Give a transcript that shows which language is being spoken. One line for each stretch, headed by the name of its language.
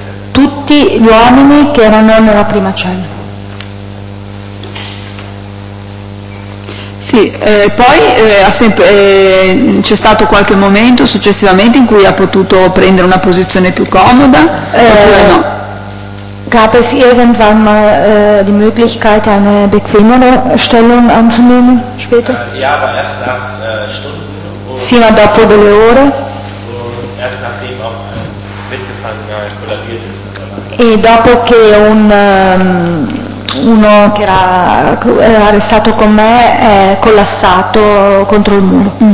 Italian: Tutti gli uomini che erano nella prima cella. Sì, poi c'è stato qualche momento successivamente in cui ha potuto prendere una posizione più comoda, oppure no?
German: Gab es irgendwann mal die Möglichkeit, eine bequemere Stellung anzunehmen später? Ja, aber erst nach Stunden.
Italian: Sì, ma dopo delle ore.
German: Erst nachdem auch mitgefangen kollabiert ist.
Italian: E dopo che uno che era arrestato con me è collassato contro il muro.